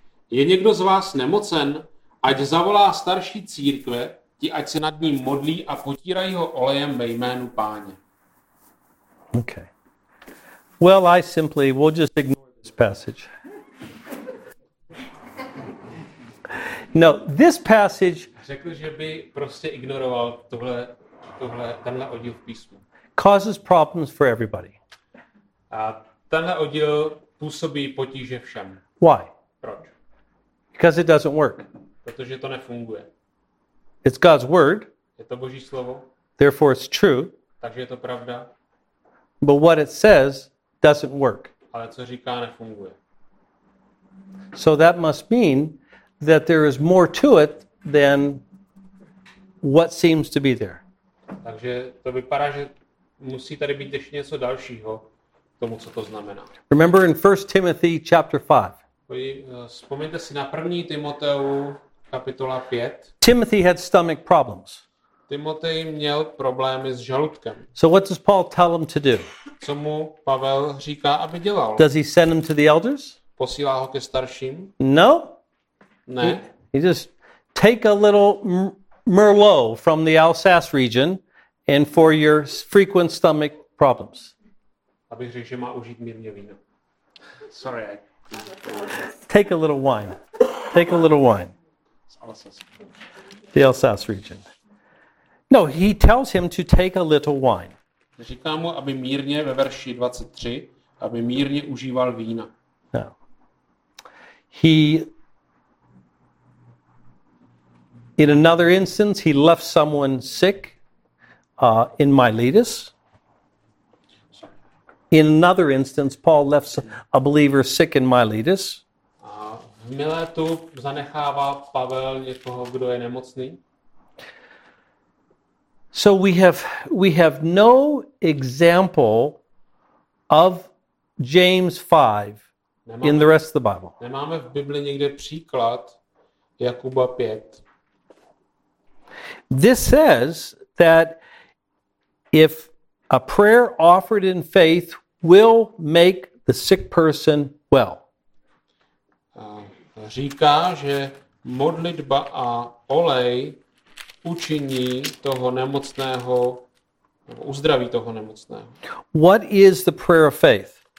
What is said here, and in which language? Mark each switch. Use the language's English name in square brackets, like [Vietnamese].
[Czech] Je někdo z vás nemocen, ať zavolá starší církve, ti ať se nad ním modlí a potírají ho olejem ve jménu Páně. [English] Okay. Well, I simply will just ignore this passage. No, this passage. [Czech] Řekl, že by prostě ignoroval tenhle oddíl v písmu. [English] Causes problems for everybody. [Czech] A tenhle oddíl působí potíže všem. [English] Why? [Czech] Proč? [English] Because it doesn't work. [Czech] Protože to nefunguje. [English] It's God's word. [Czech] Je to Boží slovo. [English] Therefore it's true. [Czech] Takže je to pravda. [English] But what it says doesn't work. [Czech] Ale co říká, nefunguje. [English] So that must mean that there is more to it than what seems to be there. [Czech] Takže to vypadá, že musí tady být ještě něco dalšího tomu, co to znamená. [English] Remember in 1 Timothy chapter 5. [Czech] Vzpomeňte si na 1. Timoteu kapitola 5. [English] Timothy had stomach problems. [Czech] Timotej měl problémy s žaludkem. [English] So what does Paul tell him to do? [Czech] Co mu Pavel říká, aby dělal? [English] Does he send him to the elders? [Czech] Posílá ho ke starším? [English] No. [Czech] Ne. [English] He just take a little Merlot from the Alsace region and for your frequent stomach problems. [Czech] Abych řekl, že má užít mírně víno. [English] Sorry. Take a little wine. Take a little wine. The Alsace region. No, he tells him to take a little wine. [Czech] Říká mu, aby mírně ve verši 23, aby mírně užíval vína. [English] No. He, in another instance, he left someone sick in Miletus. In another instance, Paul left a believer sick in Miletus. [Czech] V Miletu zanechává Pavel někoho, kdo je nemocný. [English] So we have no example of James 5 in the rest of the Bible. [Czech] Nemáme v Bibli někde příklad Jakuba 5. [English] This says that if a prayer offered in faith will make the sick person well. [Czech] Říká, že modlitba a olej učiní toho nemocného, uzdraví toho nemocného. [English] What is the prayer of faith?